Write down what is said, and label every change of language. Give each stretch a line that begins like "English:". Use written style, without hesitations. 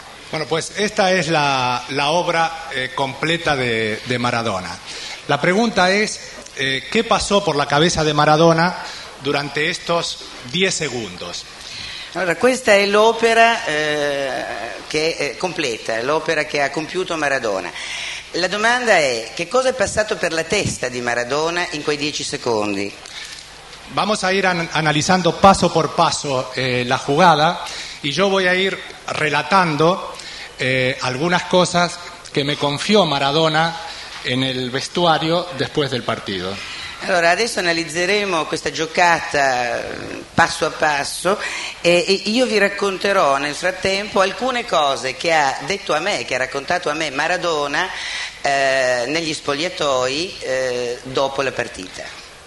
Spanish: Bueno, pues esta es la obra completa de Maradona. La pregunta es, ¿qué pasó por la cabeza de Maradona durante estos 10 segundos?
Italian: Allora, questa è l'opera che è completa, l'opera che ha compiuto Maradona. La domanda è, che cosa è passato per la testa di Maradona in quei 10 secondi?
Spanish: Vamos a ir analizando paso por paso la jugada y yo voy a ir relatando algunas cosas que me confió Maradona en el vestuario después del partido.
Italian: Allora, adesso analizzeremo questa giocata passo a passo e io vi racconterò nel frattempo alcune cose che ha detto a me, che ha raccontato a me Maradona negli spogliatoi dopo la partita.